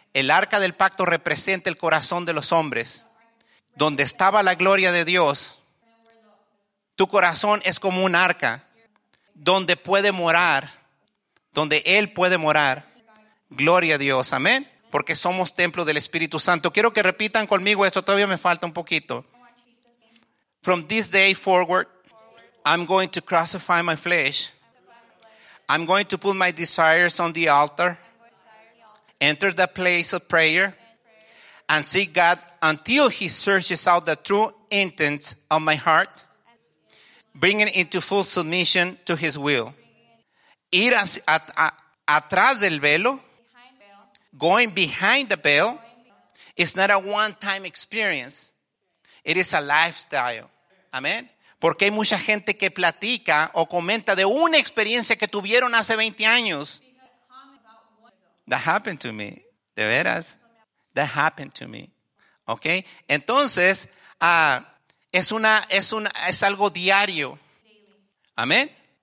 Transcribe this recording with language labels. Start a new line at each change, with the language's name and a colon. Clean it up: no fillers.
Spanish: El arca del pacto representa el corazón de los hombres. Donde estaba la gloria de Dios, tu corazón es como un arca donde puede morar, donde Él puede morar. Gloria a Dios. Amén. Porque somos templo del Espíritu Santo. Quiero que repitan conmigo esto. Todavía me falta un poquito.
English: From this day forward, I'm going to crucify my flesh. I'm going to put my desires on the altar. Enter the place of prayer and seek God until He searches out the true intents of my heart, bringing into full submission to His will.
Spanish: Ir atrás del velo,
English: going behind the veil, is not a one-time experience. It is a lifestyle. Amen.
Spanish: Porque hay mucha gente que platica o comenta de una experiencia que tuvieron hace 20 años.
English: That happened to me.
Spanish: ¿De veras?
English: That happened to me. ¿Ok?
Spanish: Entonces, es algo diario. ¿Amén?